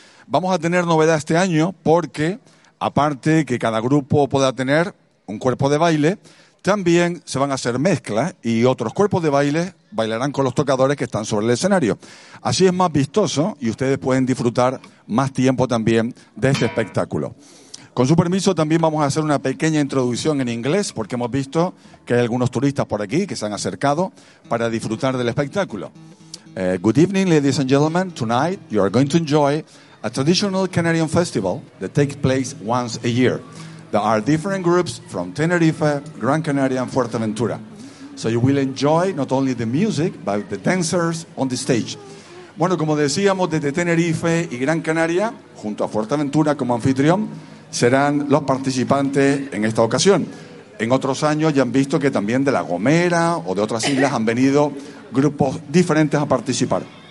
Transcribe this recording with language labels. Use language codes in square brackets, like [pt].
[es] Vamos a tener novedad este año porque, aparte que cada grupo pueda tener un cuerpo de baile, también se van a hacer mezclas y otros cuerpos de baile bailarán con los tocadores que están sobre el escenario. Así es más vistoso y ustedes pueden disfrutar más tiempo también de este espectáculo. Con su permiso, también vamos a hacer una pequeña introducción en inglés porque hemos visto que hay algunos turistas por aquí que se han acercado para disfrutar del espectáculo. [en] Good evening, ladies and gentlemen. Tonight, you are going to enjoy a traditional Canadian festival that takes place once a year. There are different groups from Tenerife, Gran Canaria, and Fuerteventura. So you will enjoy not only the music, but the dancers on the stage. [es] Bueno, como decíamos, desde Tenerife y Gran Canaria, junto a Fuerteventura como anfitrión, serán los participantes en esta ocasión. En otros años ya han visto que también de La Gomera o de otras islas han venido grupos diferentes a participar.